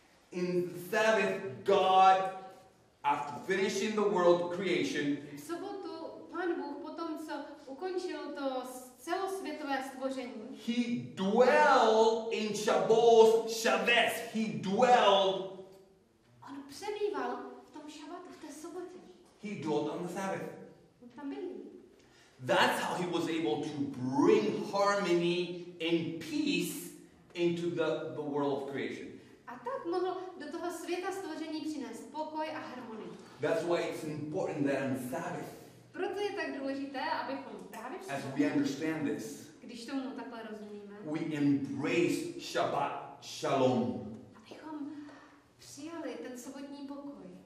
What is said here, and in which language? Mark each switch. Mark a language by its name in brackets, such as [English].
[English] In Sabbath, God, after finishing the world creation, [Czech] v sobotu pán Bůh potom co ukončil to celosvětové stvoření, [English] he dwelled in Shabbos. He dwelled. [Czech] On přebýval v tom šabatu v té sobotě. [English] He dwelled on the Sabbath. [Czech] Tam byl. [English] That's how he was able to bring harmony and peace into the world of creation. [Czech] A tak mohl do toho světa stvoření přinést pokoj a harmonii. [English] That's why it's important that on Sabbath. [Czech] Proto je tak důležité, abychom právě v sobotu. [English] As we understand this. [Czech] Když tomu takhle rozumíme. [English] We embrace Shabbat Shalom. [Czech] Abychom přijali ten sobotní pokoj.